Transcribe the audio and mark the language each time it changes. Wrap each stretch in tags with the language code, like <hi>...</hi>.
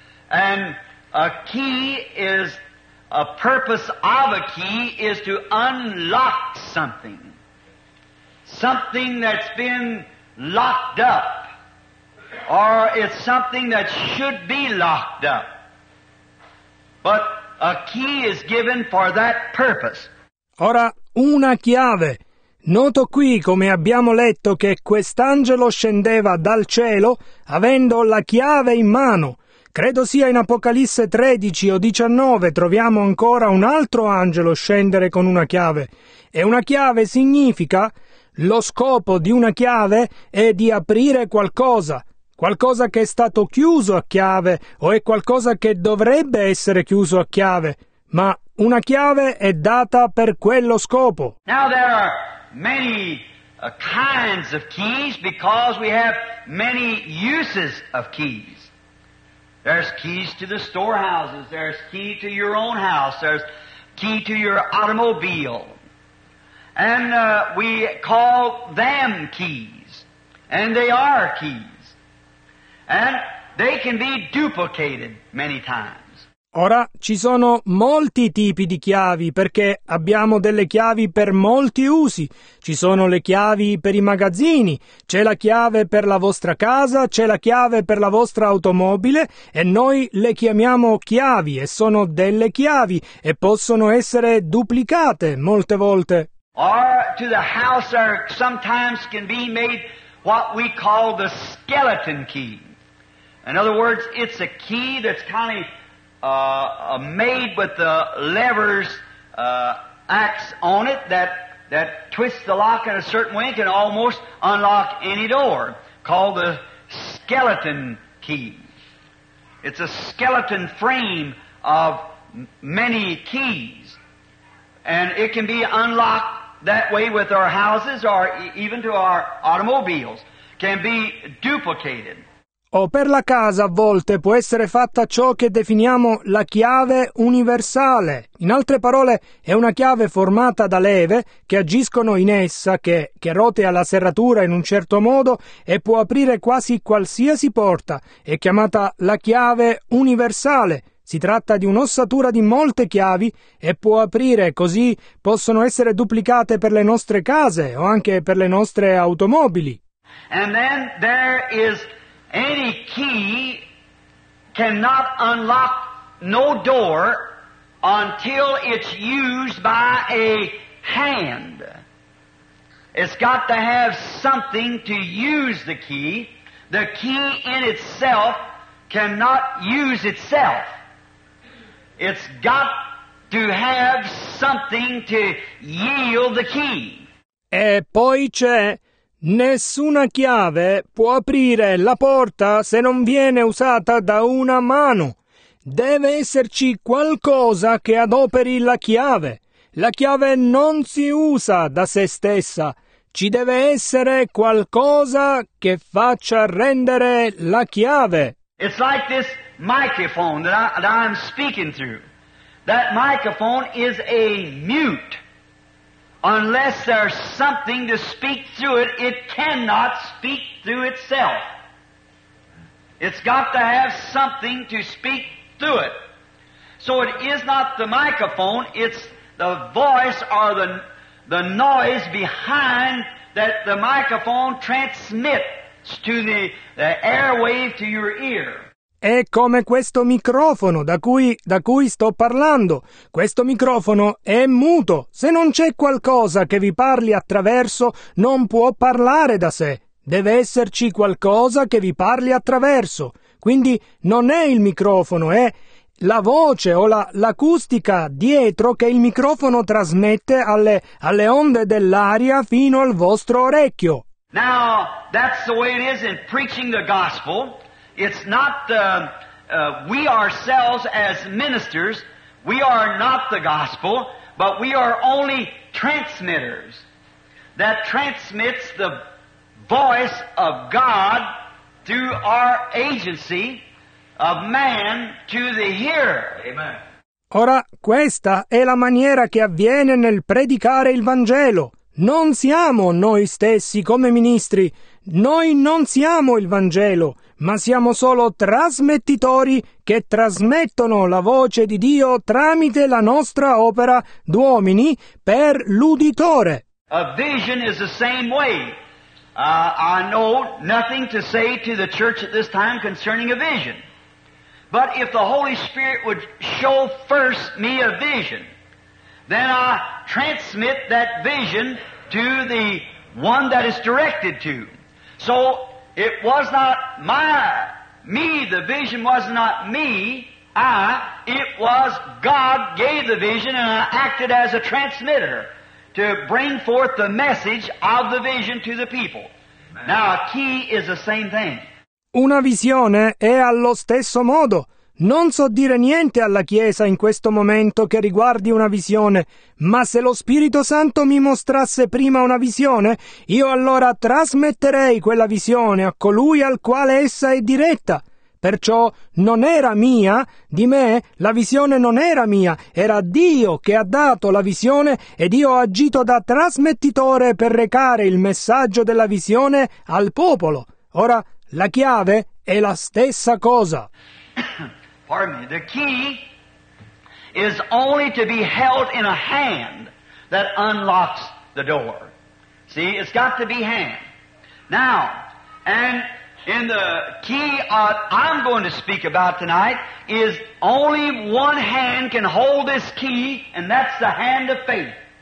<en>And a key is, a purpose of a key is to unlock something. Something that's been locked up. Or it's something that should be locked up. But a key is given for that purpose.</en> <it>Ora, una chiave. Noto qui, come abbiamo letto, che quest'angelo scendeva dal cielo avendo la chiave in mano. Credo sia in Apocalisse 13 o 19 troviamo ancora un altro angelo scendere con una chiave. E una chiave significa, lo scopo di una chiave è di aprire qualcosa. Qualcosa che è stato chiuso a chiave, o è qualcosa che dovrebbe essere chiuso a chiave, ma una chiave è data per quello scopo.</it> <en>Now there are many kinds of keys, because we have many uses of keys. There's keys to the storehouses, there's key to your own house, there's key to your automobile. And we call them keys, and they are keys. And they can be duplicated many times.</en> <it>Ora, ci sono molti tipi di chiavi, perché abbiamo delle chiavi per molti usi. Ci sono le chiavi per i magazzini, c'è la chiave per la vostra casa, c'è la chiave per la vostra automobile, e noi le chiamiamo chiavi, e sono delle chiavi, e possono essere duplicate molte volte.</it> <en>Or to the house, or sometimes can be made what we call the skeleton key. In other words, it's a key that's kind of made with the levers acts on it that twists the lock in a certain way and can almost unlock any door, called the skeleton key. It's a skeleton frame of many keys, and it can be unlocked that way with our houses or even to our automobiles, can be duplicated.</en> <it>O per la casa a volte può essere fatta ciò che definiamo la chiave universale. In altre parole, è una chiave formata da leve che agiscono in essa, che rotea la serratura in un certo modo e può aprire quasi qualsiasi porta. È chiamata la chiave universale, Si tratta di un'ossatura di molte chiavi e può aprire, così possono essere duplicate per le nostre case o anche per le nostre automobili.</it> <en>And then there is any key cannot unlock no door until it's used by a hand. It's got to have something to use the key. The key in itself cannot use itself. It's got to have something to yield the key.</en> <it>E poi c'è: nessuna chiave può aprire la porta se non viene usata da una mano. Deve esserci qualcosa che adoperi la chiave. La chiave non si usa da se stessa. Ci deve essere qualcosa che faccia rendere la chiave.</it> <en>It's like this microphone that I'm speaking through. That microphone is a mute. Unless there's something to speak through it, it cannot speak through itself. It's got to have something to speak through it. So it is not the microphone, it's the voice or the noise behind that the microphone transmits to the airwave to your ear.</en> <it>È come questo microfono da cui sto parlando. Questo microfono è muto. Se non c'è qualcosa che vi parli attraverso, non può parlare da sé. Deve esserci qualcosa che vi parli attraverso. Quindi non è il microfono, è la voce o l'acustica dietro che il microfono trasmette alle onde dell'aria fino al vostro orecchio.</it> <en>Now, that's the way it is in preaching the gospel. It's not the, we ourselves as ministers, we are not the gospel, but we are only transmitters that transmits the voice of God through our agency of man to the hearer. Amen.</en> <it>Ora, questa è la maniera che avviene nel predicare il Vangelo. Non siamo noi stessi come ministri, noi non siamo il Vangelo, ma siamo solo trasmettitori che trasmettono la voce di Dio tramite la nostra opera d'uomini per l'uditore.</it> <en>A vision is the same way. I know nothing to say to the church at this time concerning a vision. But if the Holy Spirit would show first me a vision, then I transmit that vision to the one that is directed to. So it was not me, the vision was not me, it was God gave the vision and I acted as a transmitter to bring forth the message of the vision to the people. Amen. Now a key is the same thing.</en> <it>Una visione è allo stesso modo. Non so dire niente alla Chiesa in questo momento che riguardi una visione, ma se lo Spirito Santo mi mostrasse prima una visione, io allora trasmetterei quella visione a colui al quale essa è diretta. Perciò non era mia, di me, la visione non era mia, era Dio che ha dato la visione ed io ho agito da trasmettitore per recare il messaggio della visione al popolo. Ora, la chiave è la stessa cosa.</it> <en>Pardon me. The key is only to be held in a hand that unlocks the door. See, it's got to be hand. Now, and in the key I'm going to speak about tonight is only one hand can hold this key, and that's the hand of faith.</en>